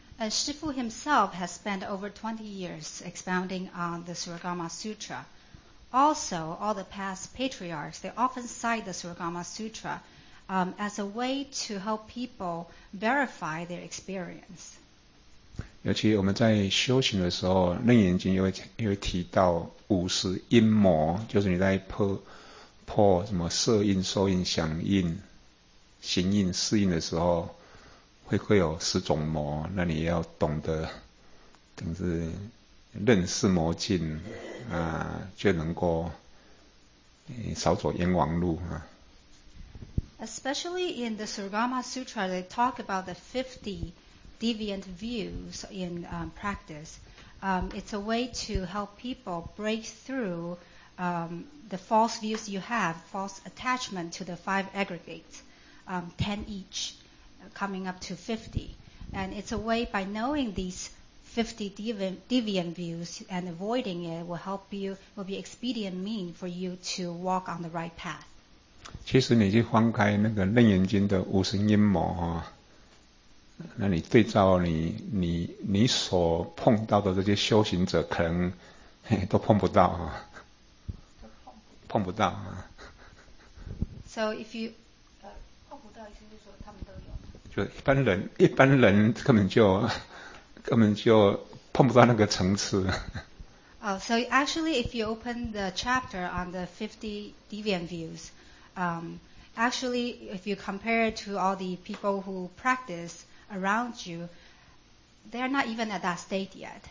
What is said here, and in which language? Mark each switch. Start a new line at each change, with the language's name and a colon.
English: 师父 himself has spent over 20 years expounding on the Suragama Sutra. Also, all the past patriarchs, they often cite the Suragama Sutra, as a way to help people verify their experience.
Chinese: 尤其我们在修行的时候，楞严经又会提到50因魔，就是你在破什么色蕴、受蕴、想蕴、行蕴、识蕴的时候，会有10种魔，那你要懂得，等于是认识魔境啊，就能够少走冤枉路啊。
English: Especially in the Suragama Sutra, they talk about the 50. Deviant views in practice. It's a way to help people break through the false views you have, false attachment to the 5 aggregates, 10 each, coming up to 50. And it's a way by knowing these 50 deviant views and avoiding it will help you, will be expedient mean for you to walk on the right path.
Chinese: 其实你去翻开那个楞严经的50因魔啊，那你对照你所碰到的这些修行者，可能都碰不到啊，碰不到啊。
English: So if you
Chinese: 碰不到，意思就是说他们都有。就一般人根本就碰不到那个层次。
English: So actually, if you open the chapter on the 50 deviant views, actually, if you compare to all the people who practice. Around you, they are not even at that state yet.